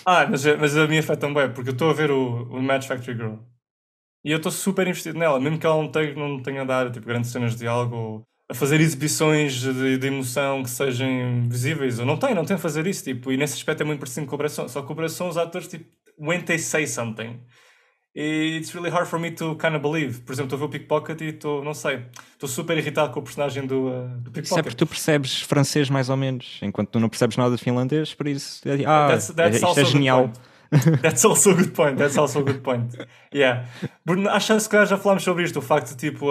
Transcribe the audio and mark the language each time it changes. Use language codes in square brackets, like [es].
[pt] mas a minha fé também é porque eu estou a ver o Match Factory Girl. E eu estou super investido nela. Mesmo que ela não tenha a dar tipo, grandes cenas de algo, a fazer exibições de emoção que sejam visíveis. Ou não tem a fazer isso. Tipo, e nesse aspecto é muito parecido com o Bresson. Só que o Bresson, os atores, tipo, [en] when they say something... It's really hard for me to kind of believe. [pt] Por exemplo, estou a ver o Pickpocket e estou, não sei, estou super irritado com o personagem do Pickpocket. Isso é porque tu percebes francês mais ou menos, enquanto tu não percebes nada de finlandês, por isso, isto é genial. [en] That's also a good point. Yeah. [pt] Bruno, acho que se calhar já falámos sobre isto, o facto de tipo...